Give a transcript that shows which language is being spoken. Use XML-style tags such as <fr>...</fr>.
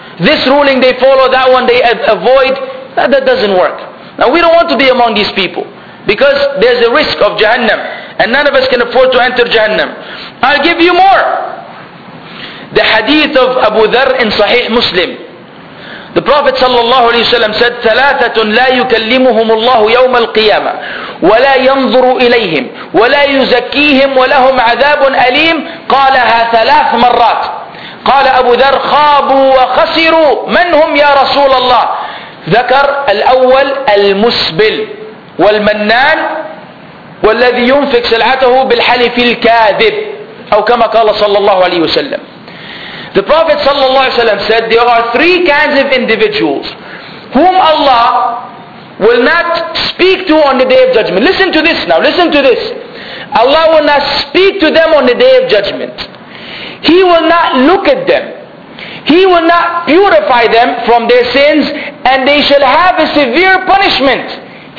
<en>This ruling they follow, that one they avoid. That doesn't work. Now we don't want to be among these people, because there's a risk of Jahannam, and none of us can afford to enter Jahannam. I'll give you more. The hadith of Abu Dharr in Sahih Muslim. The Prophet sallallahu alayhi wa sallam said,</en> <ar>ثَلَاثَةٌ لَا يُكَلِّمُهُمُ اللَّهُ يَوْمَ الْقِيَامَةِ وَلَا يَنْظُرُ إِلَيْهِمْ وَلَا يُزَكِّيهِمْ وَلَهُمْ عَذَابٌ أَلِيمٌ قَالَهَا ثَلَاثْ مَرَّاتٍ قَالَ أَبُو ذَرْ خَابُوا وَخَسِرُوا مَنْ هُمْ يَا رَسُولَ اللَّهِ ذكر الأول المسبل والمنان والذي ينفق سلعته بالحلف الكاذب أو كما قال صلى الله عليه وسلم.</ar> <en>The Prophet sallallahu alaihi wasallam said, there are three kinds of individuals whom Allah will not speak to on the day of judgment. Listen to this now, listen to this. Allah will not speak to them on the day of judgment. He will not look at them. He will not purify them from their sins, and they shall have a severe punishment.</en>